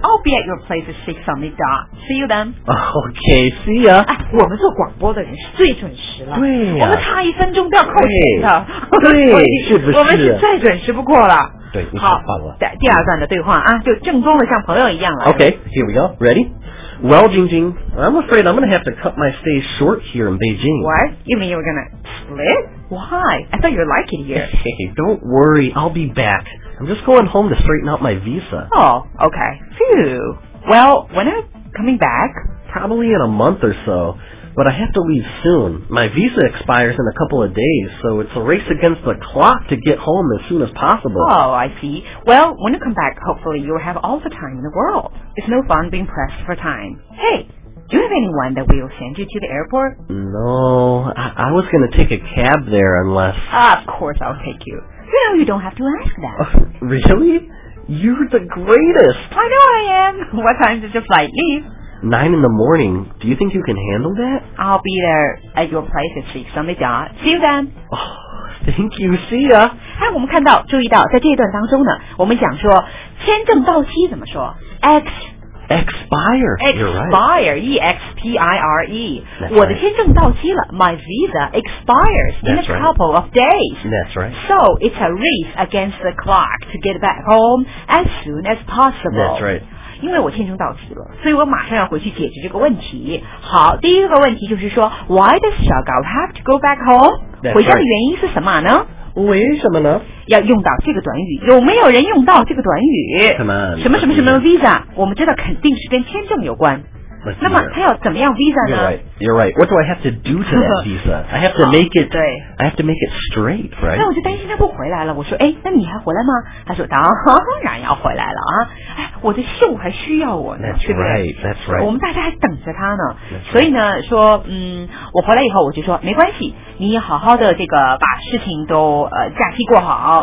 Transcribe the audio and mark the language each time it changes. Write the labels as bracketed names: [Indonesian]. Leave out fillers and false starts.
[English] I'll be at your place at 6 on the dot. See you then. Okay, see ya. [Chinese] 我们做广播的人是最准时了。对呀、啊。我们差一分钟都要扣钱的。对, 对是不是我们是再准时不过了。对你太棒了。好第二段的对话啊就正宗的像朋友一样了。 [English] Okay, here we go. Ready? Well, Jing Jing, I'm afraid I'm going to have to cut my stay short here in Beijing. What? You mean you're going to split? Why? I thought you'd like it here. Hey, don't worry. I'll be back. I'm just going home to straighten out my visa. Oh, okay. Phew. Well, when are you coming back? Probably in a month or so. But I have to leave soon. My visa expires in a couple of days, so it's a race against the clock to get home as soon as possible. Oh, I see. Well, when you come back, hopefully you'll have all the time in the world. It's no fun being pressed for time. Hey, do you have anyone that will send you to the airport? No, I was going to take a cab there unless... Of course I'll take you. You know, you don't have to ask that. Really? You're the greatest. I know I am. What time does your flight leave? 9 in the morning. Do you think you can handle that? I'll be there at your place at 6 on the dot. See you then. Oh, thank you. See ya. [Chinese] 哎，我们看到，注意到，在这一段当中呢，我们讲说，签证到期怎么说 ？X。 [English] Expire, E-X-P-I-R-E. [Chinese] 我的签证到期了 [English] My visa expires in a couple of days. That's right. So it's a race against the clock to get back home as soon as possible. That's right. [Chinese] 因为我签证到期了所以我马上要回去解决这个问题。好第一个问题就是说 [English] Why does 小高 have to go back home? [Chinese] 回家的原因是什么呢为什么呢要用到这个短语有没有人用到这个短语 [English] Come on, [Chinese] 什么什么什么 visa 我们知道肯定是跟签证有关 [English] Let's [Chinese] 那么他要怎么样 visa 呢 [English] You're right What do I have to do to that visa? I have to make it straight, right? [Chinese] 那我就担心他不回来了我说哎，那你还回来吗他说当然要回来了啊！哎，我的秀还需要我呢 [English] That's right, that's right [Chinese] 我们大家还等着他呢、 [English] right. [Chinese] 所以呢说我回来以后我就说没关系你好好的这个把事情都假期过好、